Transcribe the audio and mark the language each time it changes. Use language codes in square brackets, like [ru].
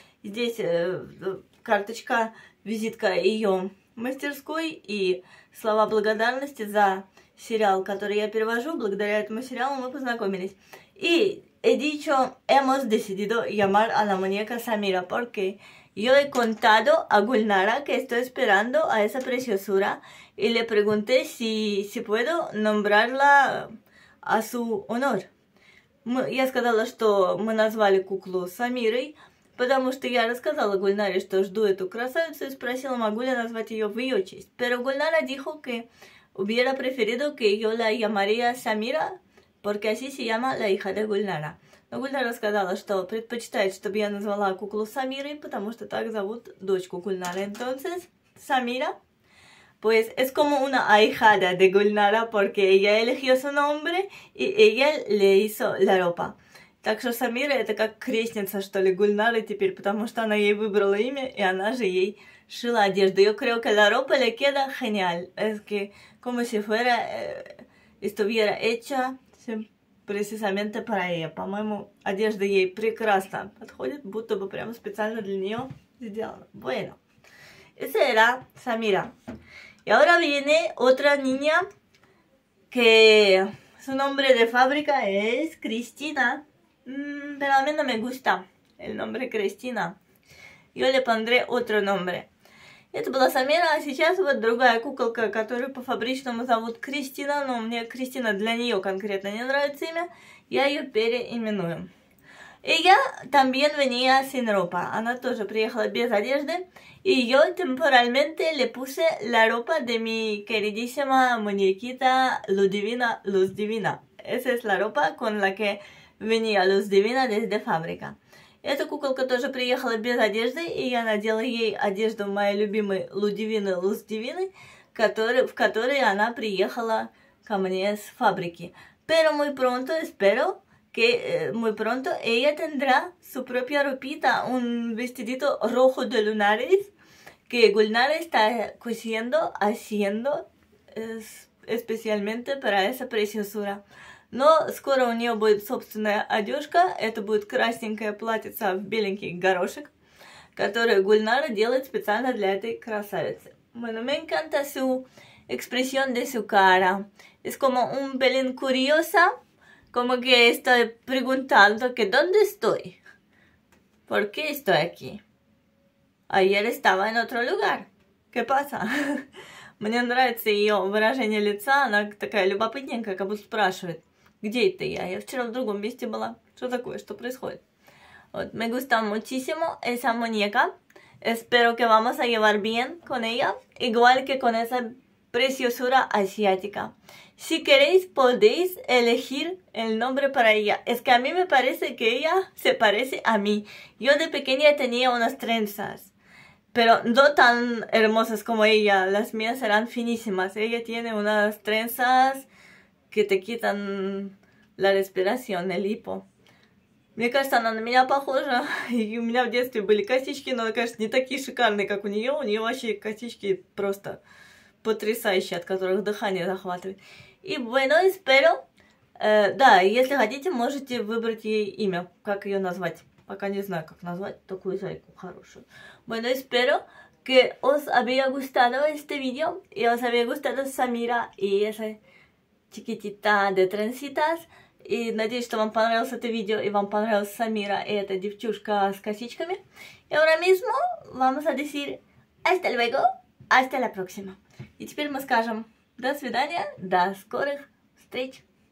[ru] Здесь карточка, визитка ее мастерской и слова благодарности за сериал, который я перевожу. Благодаря этому сериалу мы познакомились. [es] И he dicho, hemos decidido llamar a la muñeca Samira, porque yo he contado a Gulnara que estoy esperando a esa preciosura y le pregunté si puedo nombrarla a su honor. [ru] Я сказала, что мы назвали куклу Самирой, потому что я рассказала Гульнаре, что жду эту красавицу и спросила, могу ли назвать ее в ее честь. [es] Pero Gulnara dijo que hubiera preferido que yo la llamaría Samira, porque así se llama la hija de Gulnara. [ru] Но Гульнара сказала, что предпочитает, чтобы я назвала куклу Самирой, потому что так зовут дочку Гульнара. [es] Entonces, Самира, pues es como una ahijada de Gulnara, porque ella eligió su nombre y ella le hizo la ropa. [ru] Так что Самира это как крестница, что ли, Гульнары теперь, потому что она ей выбрала имя, и она же ей шила одежду. [es] Yo creo que la ropa le queda genial. Es que como si estuviera hecha precisamente para ella. [ru] По-моему, одежда ей прекрасно подходит, будто бы прямо специально для нее сделана. [es] Bueno, esa era Samira. Y ahora viene otra niña que su nombre de fábrica es Cristina. Pero a mí no me gusta el nombre Cristina. Yo le pondré otro nombre. [ru] Это была Самира, а сейчас вот другая куколка, которую по-фабричному зовут Кристина, но мне Кристина для нее конкретно не нравится имя, я ее переименую. И я [es] también venía sin ropa. [ru] Она тоже приехала без одежды. [es] И yo temporalmente le puse la ropa de mi queridísima muñequita Ludivina, Luz Divina. Esa es la ropa con la que venía Luz Divina desde fábrica. [ru] Эта куколка тоже приехала без одежды, и я надела ей одежду моей любимой Лудивины, Луз Дивины, в которой она приехала ко мне с фабрики. [es] Pero muy pronto, espero que muy pronto ella tendrá su propia ropita, un vestidito rojo de lunares que Gulnara está cosiendo, haciendo, especialmente para esa preciosura. [ru] Но скоро у нее будет собственная одежка. Это будет красненькая платьица в беленький горошек, которую Гульнара делает специально для этой красавицы. [es] Bueno, me encanta su expresión de su cara. Es como un pelín curiosa, como que estoy preguntando que dónde estoy. ¿Por qué estoy aquí? Ayer estaba en otro lugar. ¿Qué pasa? [ru] Мне нравится ее выражение лица, она такая любопытненькая, как будто спрашивает, где это я? Я вчера в другом месте была. Что такое? Что происходит? [es] Вот, me gusta muchísimo esa muñeca. Espero que vamos a llevar bien con ella, igual que con esa preciosura asiática. Si queréis, podéis elegir el nombre para ella. Es que a mí me parece que ella se parece a mí. Yo de pequeña tenía unas trenzas, pero no tan hermosas como ella. Las mías eran finísimas. Ella tiene unas trenzas que te quitan la respiración, el hipo. [ru] Мне кажется, она на меня похожа, и у меня в детстве были косички, но, конечно, не такие шикарные, как у нее вообще косички просто потрясающие, от которых дыхание захватывает. И [es] bueno, espero, [ru] да, если хотите, можете выбрать ей имя, как ее назвать, пока не знаю, как назвать такую зайку хорошую. [es] Bueno, espero que os había gustado este video, y os había gustado Samira y esa chiquitita de trencitas. [ru] И надеюсь, что вам понравилось это видео, и вам понравилась Самира, и эта девчушка с косичками. [es] И ahora mismo vamos a decir hasta luego, hasta la próxima. [ru] И теперь мы скажем до свидания, до скорых встреч.